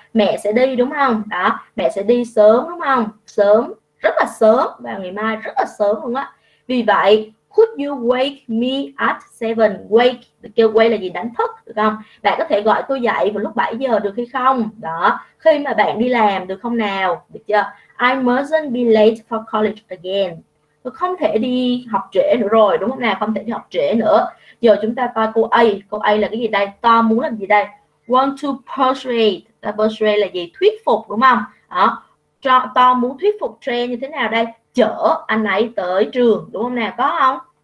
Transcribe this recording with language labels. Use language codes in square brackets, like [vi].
[vi] Mẹ sẽ đi đúng không? Đó, mẹ sẽ đi sớm đúng không? Sớm, rất là sớm, vào ngày mai rất là sớm luôn á. Vì vậy, [en] Could you wake me at 7? Wake, [vi] kêu wake là gì? Đánh thức, được không? Bạn có thể gọi tôi dậy vào lúc 7 giờ được hay không? Đó, khi mà bạn đi làm được không nào? Được chưa? [en] I mustn't be late for college again. [vi] Tôi không thể đi học trễ nữa rồi, đúng không nào? Không thể đi học trễ nữa. Giờ chúng ta coi câu A. Câu A là cái gì đây? Ta muốn làm gì đây? [en] Want to persuade. [vi] Ta persuade là gì? Thuyết phục, đúng không? Đó. Ta muốn thuyết phục trẻ như thế nào đây? Chở anh ấy tới trường, đúng không nào? Có không?